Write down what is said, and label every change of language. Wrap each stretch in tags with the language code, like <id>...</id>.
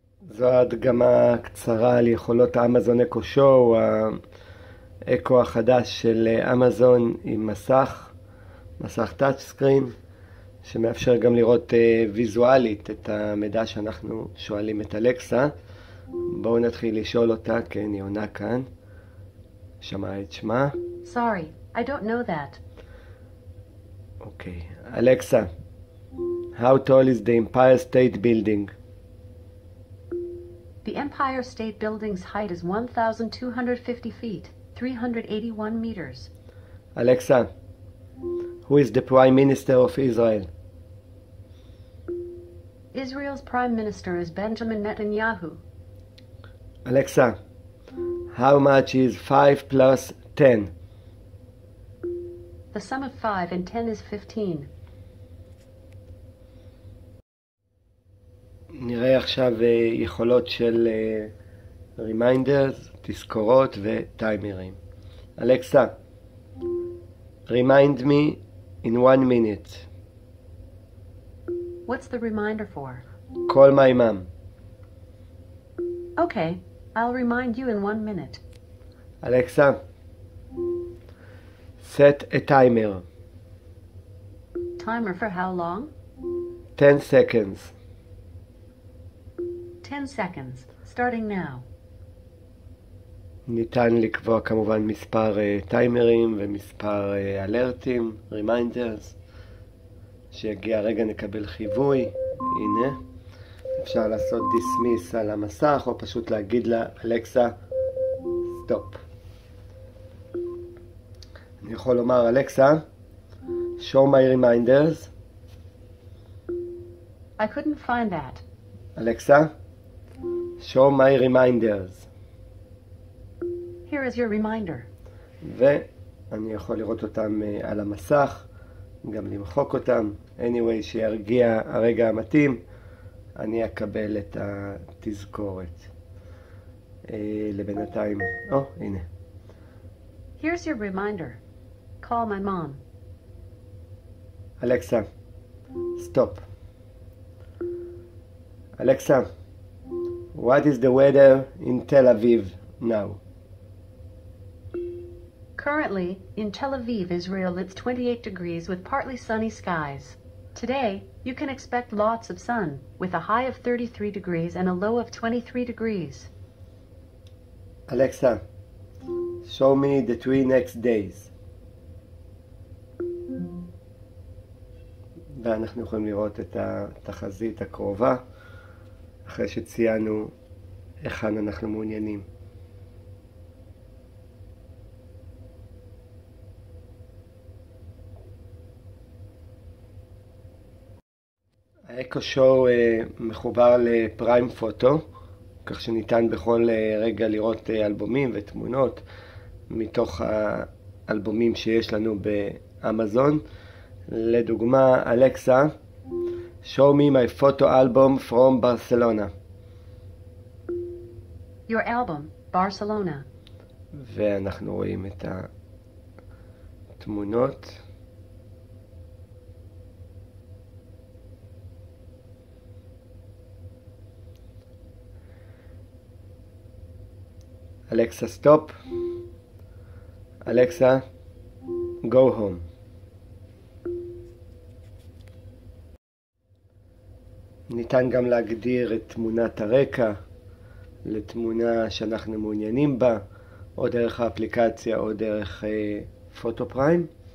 <he>זו הדגמה קצרה על יכולות האמזון אקו שו, האקו החדש של אמזון עם מסך טאצ' סקרין, שמאפשר גם לראות ויזואלית את המידע שאנחנו שואלים את אלקסה. בואו נתחיל לשאול אותה, כן, היא עונה כאן. שמע את שמה.</he> <en>Sorry, I don't know that. אוקיי, אלקסה, how tall is the Empire State Building? The Empire State Building's height is 1,250 feet, 381 meters. Alexa, who is the Prime Minister of Israel? Israel's Prime Minister is Benjamin Netanyahu. Alexa, how much is 5 plus 10? The sum of 5 and 10 is 15.</en> <he>נראה עכשיו יכולות של reminders, תזכורות וטיימרים.</he> <en>אלקסה, remind me in 1 minute. What's the reminder for? Call my mom. Okay, I'll remind you in 1 minute. אלקסה, set a timer. Timer for how long? 10 seconds. 10 seconds starting now.</en> <he>ניתן לקבוע כמובן מספר טיימרים ומספר אלרטים, reminders, שיגיע רגע נקבל חיווי. הנה, אפשר לעשות דיסמיס על המסך או פשוט להגיד לה אלקסה סטופ. אני יכול לומר אלקסה,</he> <en>show my reminders. I couldn't find that. אלקסה, show my reminders. Here is your reminder.</en> <he>ואני יכול לראות אותם על המסך, גם למחוק אותם. Anyway, שירגיע הרגע המתאים, אני אקבל את התזכורת. לבינתיים. הנה.</he> <en>Here's your reminder. Call my mom. Alexa, stop. Alexa, what is the weather in Tel Aviv now? Currently, in Tel Aviv, Israel, it's 28 degrees with partly sunny skies. Today, you can expect lots of sun, with a high of 33 degrees and a low of 23 degrees. Alexa, show me the 3 next days.</en> <he>ואנחנו יכולים לראות את התחזית הקרובה, אחרי שציינו איכן אנחנו מעוניינים. האקו שואו מחובר לפריים פוטו, כך שניתן בכל רגע לראות אלבומים ותמונות מתוך האלבומים שיש לנו באמזון.</he> <en>לדוגמה, אלקסה, show me my photo album from Barcelona. Your album, Barcelona.</en> <he>ואנחנו רואים את התמונות. אלקסה, סטופ.</he> <en>אלקסה, go home.</en> <he>ניתן גם להגדיר את תמונת הרקע לתמונה שאנחנו מעוניינים בה, או דרך האפליקציה או דרך פוטו פריים.</he>